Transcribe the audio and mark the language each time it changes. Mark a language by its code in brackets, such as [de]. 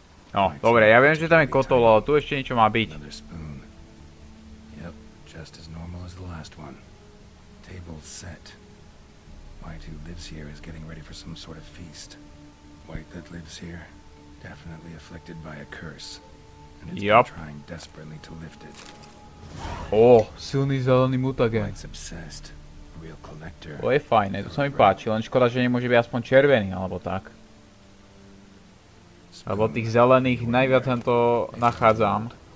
[sk] No, dobre, ja viem, že tam je kotol, ale tu ešte niečo má byť. [en] Yep, just as normal as the last one. Table set. White who lives here is getting ready for some sort of feast. White that lives here, definitely afflicted by a curse. And it's been trying desperately to lift it. [sk] Oh, silný zelený mutagen. [en] White's obsessed. Real collector. [sk] To je fajné, to sa mi páči, len škoda, že nemôže byť aspoň červený, alebo tak. Lebo tých zelených najviac tento nachádzam.